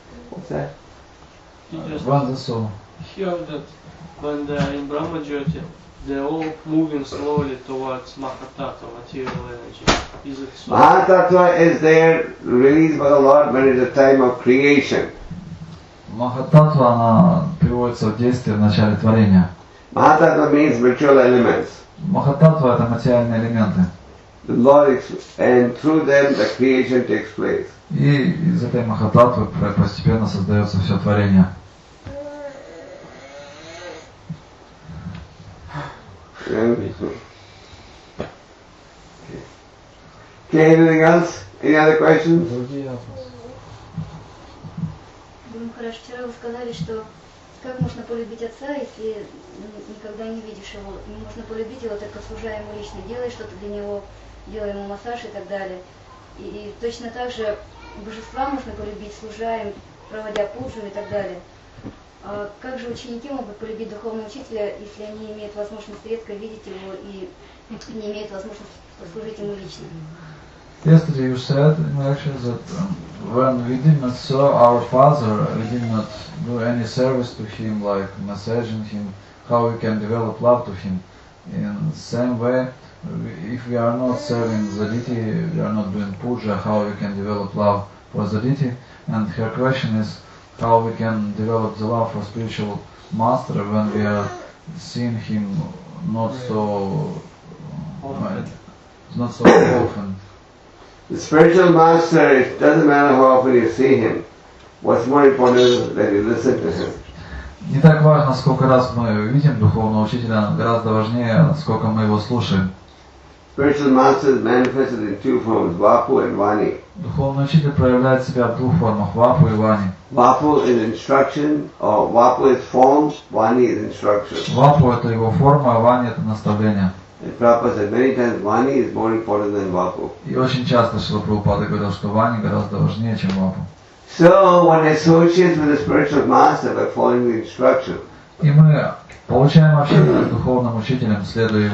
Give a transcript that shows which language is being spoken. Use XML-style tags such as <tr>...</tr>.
<en>What's that? What the soul? Here that when they are in Brahma Jyoti, they are all moving slowly towards Mahatattva, material energy. Mahatattva is there released by the Lord when it is a time of creation.</en> <ru>Махататва, она приводится в действие в начале творения.</ru> <en>Махататва means material elements.</en> <ru>Махататва — это материальные элементы.</ru> <en>The Lord and through them the creation takes place.</en> <ru>И из этой махататвы постепенно создается все творение.</ru> <en>Okay, anything else? Any other questions?</en> <ru>Хорошо, вчера вы сказали, что как можно полюбить отца, если никогда не видишь его. Можно полюбить его, только служа ему лично, делая что-то для него, делая ему массаж и так далее. И точно так же божества можно полюбить, служа им, проводя пуджу и так далее. А как же ученики могут полюбить духовного учителя, если они имеют возможность редко видеть его и не имеют возможности послужить ему лично?</ru> <en>Yesterday you said actually that when we did not saw our father, we did not do any service to him, like massaging him, how we can develop love to him. In the same way, if we are not serving the deity, we are not doing puja, how we can develop love for the deity. And her question is how we can develop the love for spiritual master when we are seeing him not so often. The spiritual master, it doesn't matter how often you see him. What's more important is that you listen to him.</en> <ru>Не так важно, сколько раз мы видим духовного учителя, гораздо важнее, сколько мы его слушаем.</ru> <en>Spiritual master is manifested in two forms, Vapu and Vani.</en> <ru>Духовный учитель проявляет себя в двух формах, Vapu и Vani.</ru> <en>Vapu is instruction, or Vapu is form, Vani is instruction.</en> <ru>Vapu — это его форма, а Vani — это наставление.</ru> <en>And Prabhupada said many times Vani is more important than Vapu.</en> <ru>И очень часто Шрила Прабхупада говорил, что Вани гораздо важнее, чем Вапу.</ru> <en>So when associates with the spiritual master by following the instruction.</en> <ru>И мы получаем общение с духовным учителем, следуя его.</ru>